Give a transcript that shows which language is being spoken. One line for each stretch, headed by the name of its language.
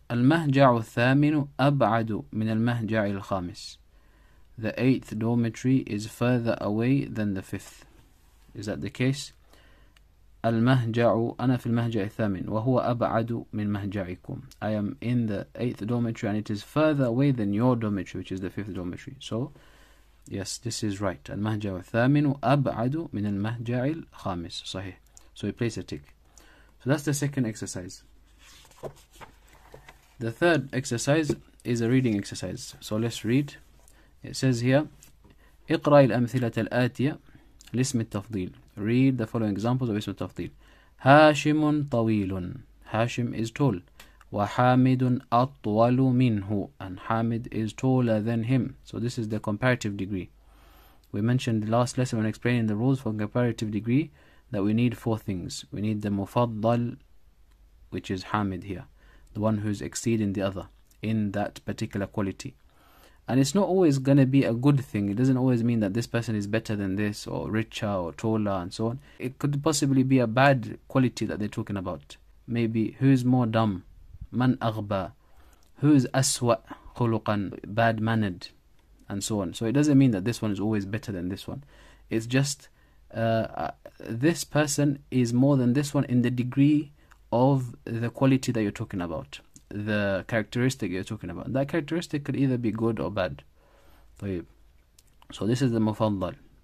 Arabic: المهجع الثامن أبعد من المهجع الخامس.
English: The eighth dormitory is further away than the fifth. Is that the case?
Arabic: المهجع أنا في المهجع الثامن وهو أبعد من مهجعكم.
English: I am in the eighth dormitory and it is further away than your dormitory, which is the fifth dormitory. So, yes, this is right.
Arabic: المهجع الثامن أبعد من المهجع الخامس. صحيح.
English: So we place a tick. So that's the second exercise. The third exercise is a reading exercise. So let's read. It says here,
Arabic: اقرأ الأمثلة الآتية لاسم التفضيل.
English: Read the following examples of اسم التفضيل.
Arabic: هاشم طويل.
English: Hashim is tall.
Arabic: وحامد أطول منه.
English: And Hamid is taller than him. So this is the comparative degree. We mentioned the last lesson when explaining the rules for comparative degree that we need four things. We need the مفضل, which is Hamid here. The one who's exceeding the other in that particular quality. And it's not always going to be a good thing. It doesn't always mean that this person is better than this or richer or taller and so on. It could possibly be a bad quality that they're talking about. Maybe who's more dumb?
Arabic: Man أغبى.
English: Who's
Arabic: أسوأ خلقاً?
English: Bad mannered and so on. So it doesn't mean that this one is always better than this one. It's just this person is more than this one in the degree of the quality that you're talking about, the characteristic you're talking about. That characteristic could either be good or bad. So this is the mufaddal.